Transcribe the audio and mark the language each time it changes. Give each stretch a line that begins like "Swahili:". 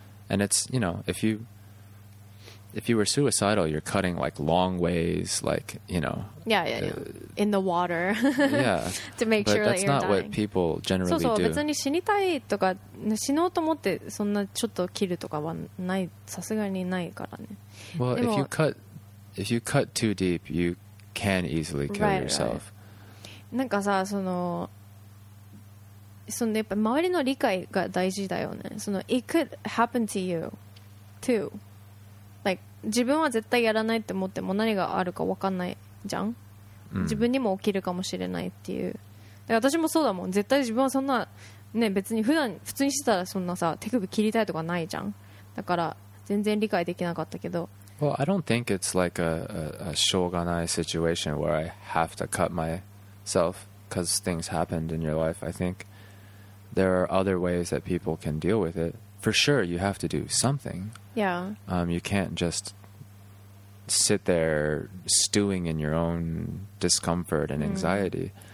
English: And it's, you know, if you were suicidal, you're cutting like long ways, like, you know. Yeah, yeah, yeah. In the water. yeah. To make sure that you're not dying. What people generally
Japanese: do. そうそう、別に死にたいとか、死のうと思ってそんなちょっと切るとかはない、さすがにないからね。
English: Well, if you cut too deep, you can easily kill yourself.
Japanese: なんかさ、そのやっぱ周りの理解が大事だよね。
English: その、it could happen to you too.
Japanese: 自分は絶対やらないって思っても何があるか分かんないじゃん、自分にも起きるかもしれないっていう。で、私もそうだもん、絶対自分はそんなね、別に普通にしてたらそんなさ手首切りたいとかないじゃん、だから全然理解できなかったけど。
English: Well, I don't think it's like a しょうがない situation where I have to cut myself because things happened in your life. I think there are other ways that people can deal with it. For sure, you have to do something Yeah. You can't just sit there stewing in your own discomfort and anxiety.